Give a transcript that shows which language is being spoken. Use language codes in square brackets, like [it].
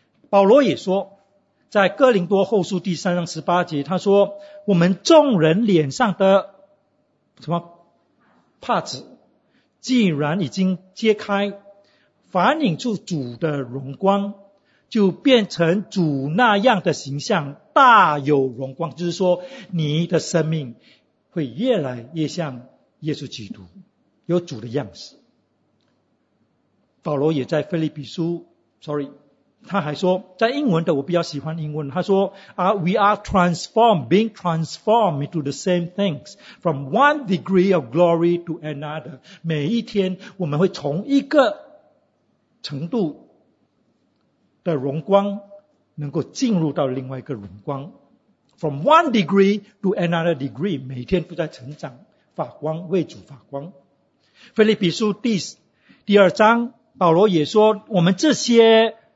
[zh] 保罗也说，在哥林多后书第3章18节，他说我们众人脸上的什么帕子既然已经揭开，反映出主的荣光，就变成主那样的形象，大有荣光。就是说你的生命会越来越像耶稣基督，有主的样式。保罗也在腓立比书 sorry 他还说，在英文的我比较喜欢英文，他说 [en] We are transformed, being transformed into the same things from one degree of glory to another. [zh] 每一天我们会从一个程度的荣光能够进入到另外一个荣光， [en] from one degree to another degree， [zh] 每天都在成长发光，为主发光。腓立比书第2章保罗也说，我们这些